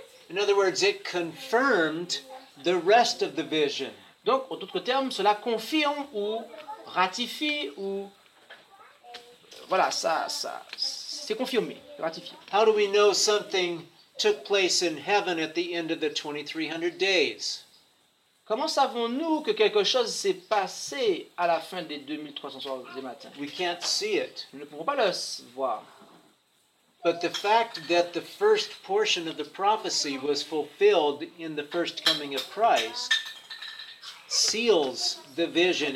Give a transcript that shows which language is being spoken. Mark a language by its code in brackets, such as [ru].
[en] In other words, it confirmed the rest of the vision. [fr] Donc, en d'autres termes, cela confirme ou ratifie ou... Voilà, ça c'est confirmé, ratifié. [en] How do we know something took place in heaven at the end of the 2300 days? [fr] Comment savons-nous que quelque chose s'est passé à la fin des 2300 heures du matin? [en] We can't see it. [fr] Nous ne pouvons pas le voir. [en] But the fact that the first portion of the prophecy was fulfilled in the first coming of Christ seals the vision.